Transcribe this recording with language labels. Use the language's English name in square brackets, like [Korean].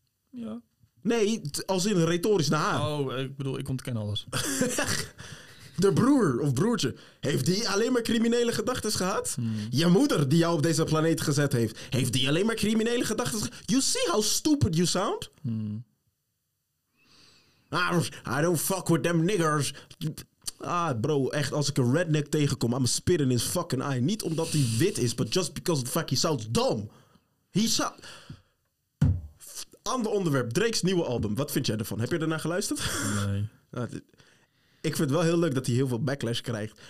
[Dutch] Ja. Nee, als in retorisch naar haar. Oh, ik bedoel, ik ontken alles. De broer of broertje, heeft die alleen maar criminele gedachten gehad? Je moeder, die jou op deze planeet gezet heeft, heeft die alleen maar criminele gedachten gehad? [English] You see how stupid you sound? I don't fuck with them niggers. Ah, bro, [Dutch] echt, als ik een redneck tegenkom, [English] I'm spitting his fucking eye. [Dutch] Niet omdat hij wit is, [English] but just because the fuck he sounds dumb. [Dutch] Ander onderwerp, Drake's nieuwe album. Wat vind jij ervan? Heb je ernaar geluisterd? Nee. Ik vind het wel heel leuk dat hij heel veel backlash krijgt.